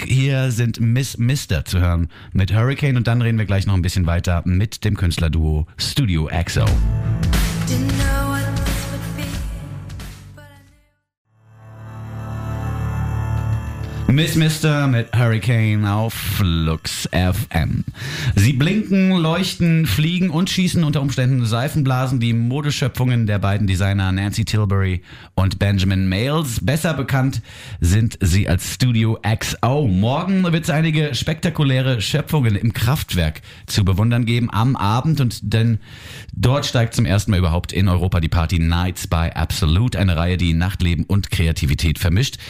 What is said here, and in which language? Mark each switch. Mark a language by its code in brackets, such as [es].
[de] Hier sind Miss Mister zu hören mit Hurricane, und dann reden wir gleich noch ein bisschen weiter mit dem Künstlerduo Studio XO. [en] Didn't know what this would be, but I knew. [de] Miss Mister mit Hurricane auf Flux FM. Sie blinken, leuchten, fliegen und schießen unter Umständen Seifenblasen, die Modeschöpfungen der beiden Designer Nancy Tilbury und Benjamin Mayles. Besser bekannt sind sie als Studio XO. Morgen wird es einige spektakuläre Schöpfungen im Kraftwerk zu bewundern geben am Abend, und denn dort steigt zum ersten Mal überhaupt in Europa die Party Nights by Absolute, eine Reihe, die Nachtleben und Kreativität vermischt.